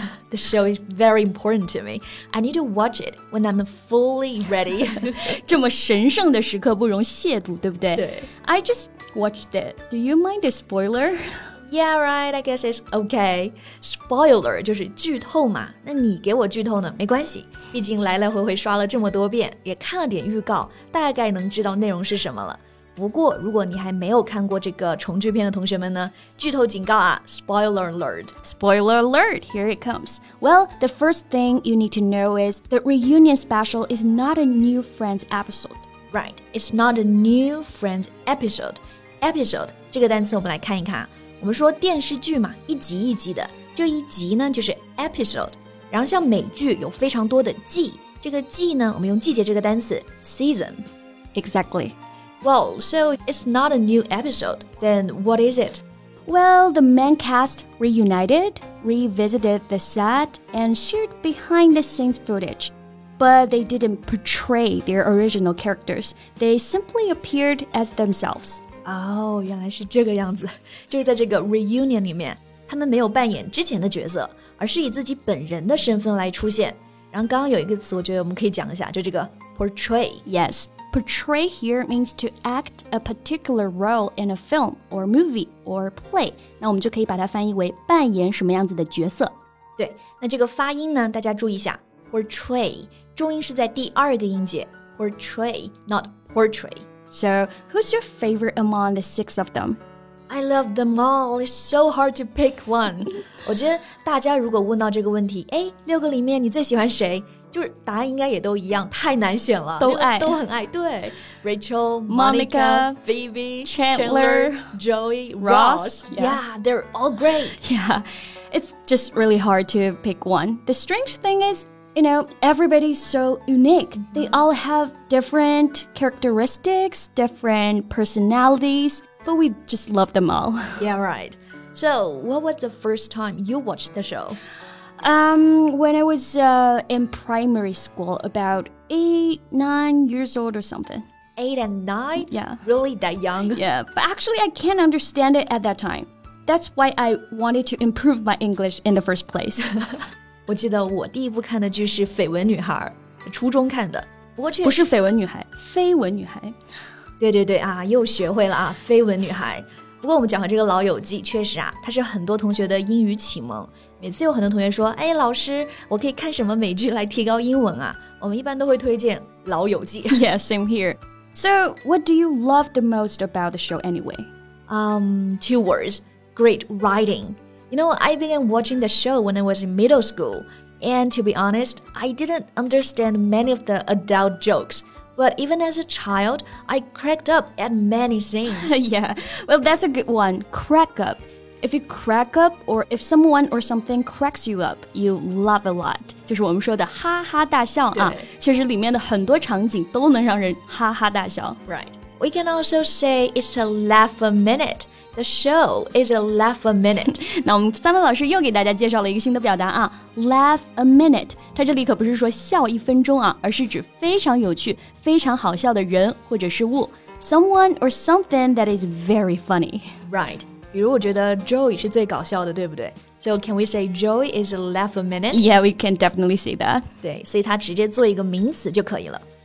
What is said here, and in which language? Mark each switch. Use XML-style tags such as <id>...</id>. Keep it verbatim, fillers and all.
<en>The show is very important to me. I need to watch it when I'm fully ready.</en> <zh>这么神圣的时刻不容亵渎，对不对？对。</zh> <en>I just watched it. Do you mind a spoiler? Yeah, right. I guess it's okay.</en> <zh>Spoiler 就是剧透嘛。那你给我剧透呢？没关系，毕竟来来回回刷了这么多遍，也看了点预告，大概能知道内容是什么了。不过如果你还没有看过这个重聚片的同学们呢，剧透警告啊 ,</zh> <en>spoiler alert. Spoiler alert, here it comes. Well, the first thing you need to know is the reunion special is not a new Friends episode. Right, it's not a new Friends episode.</en> <zh>Episode, 这个单词我们来看一看，我们说电视剧嘛，一集一集的，这一集呢就是 episode, 然后像美剧有非常多的季，这个季呢我们用季节这个单词 season.</zh> <en>Exactly. Well, so it's not a new episode. Then what is it? Well, the main cast reunited, revisited the set, and shared behind-the-scenes footage. But they didn't portray their original characters. They simply appeared as themselves.</en> <zh>哦，原来是这个样子。就是在这个 reunion 里面，他们没有扮演之前的角色，而是以自己本人的身份来出现。然后刚刚有一个词，我觉得我们可以讲一下，就这个 portray.</zh> <en>Yes. Portray here means to act a particular role in a film or movie or play.</en> <zh>那我们就可以把它翻译为扮演什么样子的角色。对，那这个发音呢，大家注意一下 portray 重音是在第二个音节 portray,</zh> <en>not portray. So, who's your favorite among the six of them? I love them all. It's so hard to pick one.</en> <zh>我觉得大家如果问到这个问题，哎，六个里面你最喜欢谁？就是答案应该也都一样，太难选了，都爱，都很爱。对 ，Rachel,</zh> <en>Monica, Phoebe, Chandler, Chandler Joey, Ross. Yeah, they're all great. Yeah, it's just really hard to pick one. The strange thing is, you know, everybody's so unique. Mm-hmm. They all have different characteristics, different personalities, but we just love them all. Yeah, right. So, what was the first time you watched the show? Um, when I was uh, in primary school, about eight, nine years old or something. Eight and nine? Yeah. Really that young? Yeah, but actually I can't understand it at that time. That's why I wanted to improve my English in the first place.</en> <zh>我记得我第一部看的剧是《绯闻女孩》，初中看的。不过不是绯闻女孩，绯闻女孩。对对对啊，又学会了啊，绯闻女孩。不过我们讲的这个《老友记》确实啊，它是很多同学的英语启蒙。每次有很多同学说，哎，老师，我可以看什么美剧来提高英文啊？我们一般都会推荐《老友记》。</zh> <en>Yeah, same here. So, what do you love the most about the show anyway? Um, two words. Great writing. You know, I began watching the show when I was in middle school. And to be honest, I didn't understand many of the adult jokes. But even as a child, I cracked up at many things. Yeah, well, that's a good one. Crack up. If you crack up or if someone or something cracks you up, you laugh a lot.</en> <zh>就是我们说的哈哈大笑啊，确实里面的很多场景都能让人哈哈大笑。</zh> <en>Right. We can also say it's a laugh a minute. The show is a laugh a minute.</en> <zh>那我们三位老师又给大家介绍了一个新的表达啊 ，laugh a minute。它这里可不是说笑一分钟啊，而是指非常有趣、非常好笑的人或者是物 ，</zh> <en>someone or something that is very funny. Right.</en> <zh>比如我觉得 Joey 是最搞笑的，对不对 ？</zh> <en>So can we say Joey is a laugh a minute? Yeah, we can definitely say that.</en> <zh>对，所以它直接做一个名词就可以了。</zh>